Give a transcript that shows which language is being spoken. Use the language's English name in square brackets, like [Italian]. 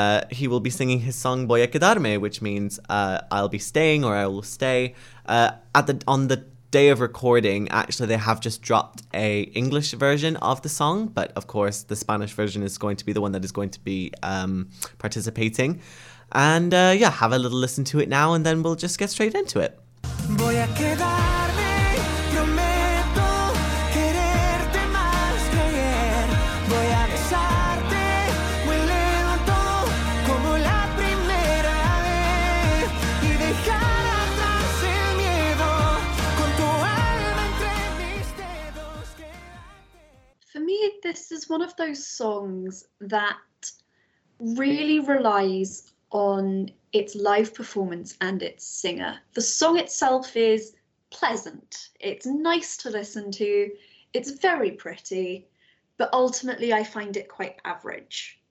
[English] He will be singing his song Voy a Quedarme, which means I'll be staying or I will stay. On the day of recording, actually, they have just dropped a English version of the song, but of course the Spanish version is going to be the one that is going to be participating. And have a little listen to it now and then we'll just get straight into it. [Spanish] Voy a quedarme, prometo quererte más que ayer. Voy a besarte muy lento como la primera vez y dejar atrás el miedo con tu alma entre mis dedos. [English] For me, this is one of those songs that really relies on its live performance and its singer. The song itself is pleasant. It's nice to listen to. It's very pretty, but ultimately I find it quite average.